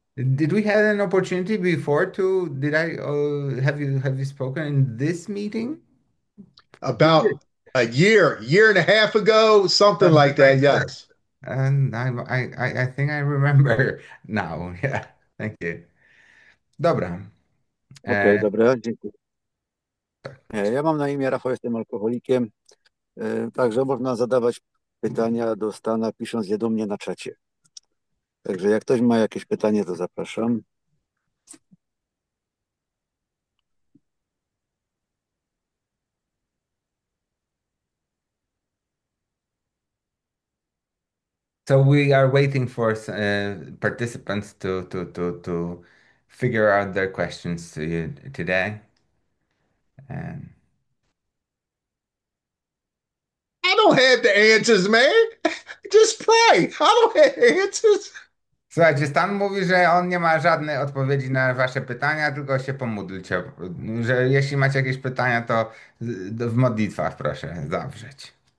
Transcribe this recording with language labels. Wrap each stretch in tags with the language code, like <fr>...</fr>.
<en>Did we have an opportunity before to did I have you spoken in this meeting? We did. About a year and a half ago, something Something like that, like that. yes. And I think I remember now. Yeah, thank you.</en> <pl>Dobra. Okej, okay, dobra, dziękuję. Ja mam na imię Rafał, jestem alkoholikiem. Także można zadawać pytania do Stana, pisząc je do mnie na czacie. Także jak ktoś ma jakieś pytanie, to zapraszam.</pl> <en>So we are waiting for participants to figure out their questions to you today. I don't have the answers, man. Just pray. I don't have answers.</en> <pl>Słuchajcie, Stan mówi, że on nie ma żadnej odpowiedzi na wasze pytania, tylko się pomódlcie, że jeśli macie jakieś pytania, to w modlitwach proszę zawrzeć.</pl>